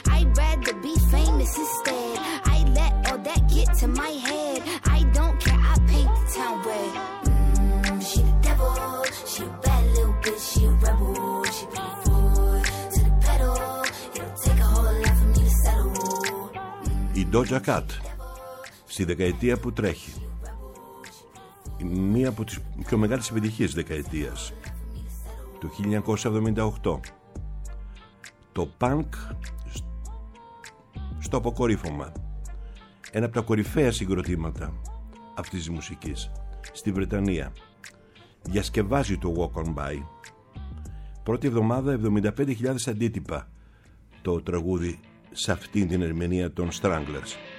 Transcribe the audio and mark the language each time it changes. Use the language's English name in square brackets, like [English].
[English] I'd rather be famous instead. I let all that get to my head. I don't care, I paint the town red. She a bad little bitch, she a rebel. She put her foot to the pedal. It'll take a whole lot for me to settle. [Greek] Η Doja Cat, στη δεκαετία που τρέχει, μία από τις πιο μεγάλες επιτυχίες της δεκαετίας, του 1978. Το punk στο αποκορύφωμα, ένα από τα κορυφαία συγκροτήματα αυτής της μουσικής στη Βρετανία. Διασκευάζει το Walk On By. Πρώτη εβδομάδα 75.000 αντίτυπα το τραγούδι σε αυτήν την ερμηνεία των Stranglers.